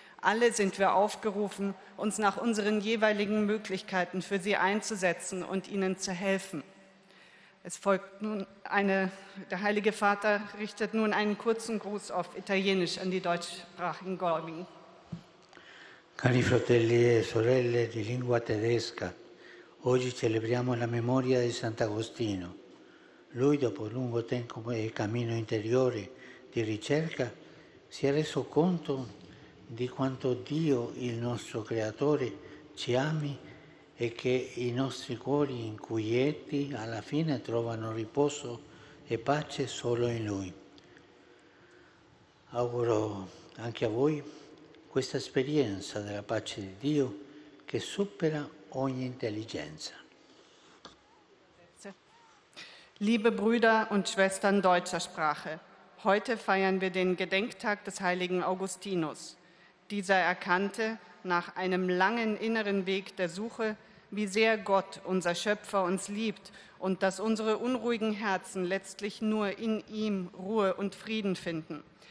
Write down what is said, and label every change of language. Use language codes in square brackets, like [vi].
[de] Alle sind wir aufgerufen, uns nach unseren jeweiligen Möglichkeiten für sie einzusetzen und ihnen zu helfen. Es folgt nun der Heilige Vater richtet nun einen kurzen Gruß auf Italienisch an die deutschsprachigen Gläubigen. [it] Cari fratelli e sorelle di lingua tedesca, oggi celebriamo la memoria di Sant'Agostino. Lui, dopo lungo tempo e cammino interiore di ricerca, si è reso conto di quanto Dio, il nostro Creatore, ci ami e che i nostri cuori inquieti alla fine trovano riposo e pace solo in Lui. Auguro anche a voi questa esperienza della pace di Dio che supera ogni intelligenza. [de] Liebe Brüder und Schwestern deutscher Sprache, heute feiern wir den Gedenktag des heiligen Augustinus. Dieser erkannte nach einem langen inneren Weg der Suche, wie sehr Gott, unser Schöpfer, uns liebt und dass unsere unruhigen Herzen letztlich nur in ihm Ruhe und Frieden finden.